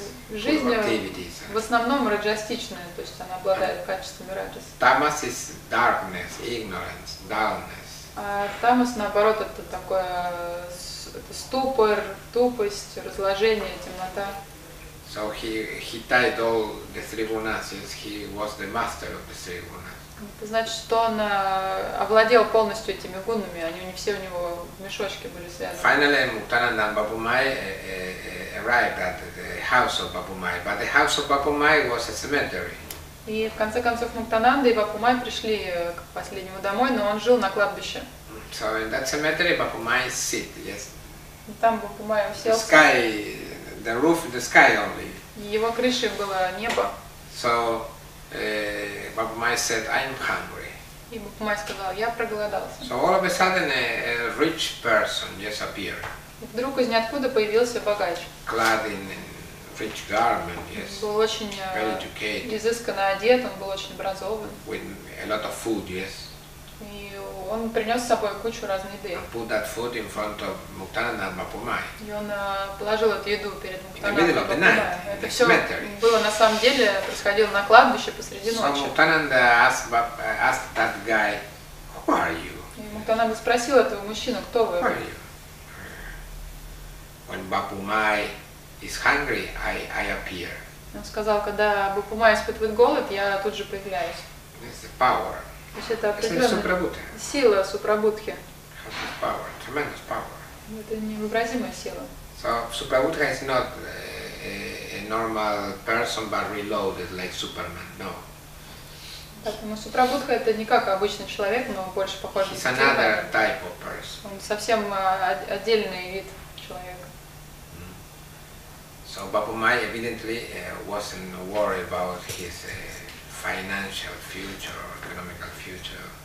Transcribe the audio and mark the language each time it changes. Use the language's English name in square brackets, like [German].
[Russian] Жизнь в основном раджастичная, то есть она обладает качествами раджаса. [English] Tamas is darkness, ignorance, dullness. [Russian] А тамас, наоборот, это такое это ступор, тупость, разложение, темнота. [English] So he tied all the three gunas, yes, he was the master of the three gunas. [Russian] Это значит, что он овладел полностью этими гунами, они не все у него в мешочке были связаны. [English] Finally, Muktananda and Бапумай arrived at the house of Бапумай, but the house of Бапумай was a cemetery. [Russian] И в конце концов Муктананда и Бапумай пришли к последнему домой, но он жил на кладбище. [English] So in that cemetery, Бапумай sit, yes. [Russian] И там Бапумай уселся. [English] The roof, the sky only. [Russian] Его крышей было небо. [English] So Бапумай said, I'm hungry. [Russian] И Бапумай сказал, я проголодался. [English] So all of a sudden a rich person just appeared. [Russian] Вдруг из ниоткуда появился богач. [English] Clad in rich garment, yes. [Russian] Был очень [English] well educated. [Russian] Изысканно одет, он был очень образован. [English] With a lot of food, yes. [Russian] И он принес с собой кучу разной еды. [English] And put that food in front of Muktananda and Bapumai. [Russian] И он положил эту еду перед Муктананда. [English] In the middle of the night. [Russian] Это все было на самом деле происходило на кладбище посреди ночи. [English] So Muktananda asked that guy, who are you? [Russian] И Муктананда спросил этого мужчину, кто вы? [English] Who are you? When Бапумай is hungry, I appear. [Russian] Он сказал, когда Бапумай испытывает голод, я тут же появляюсь. [English] It's the power. [Russian] То есть это определенная сила Супрабудхи. [English] It's power, tremendous power. [Russian] Это невообразимая сила. [English] So Suprabuddha is not a normal person, but reloaded like Superman. No. [Russian] Поэтому Супрабудха это не как обычный человек, но больше похож на [English] Супрабудху. It's another type of person. [Russian] Он совсем отдельный вид человека. [English] So Бапумай evidently wasn't worried about his financial future, economical future.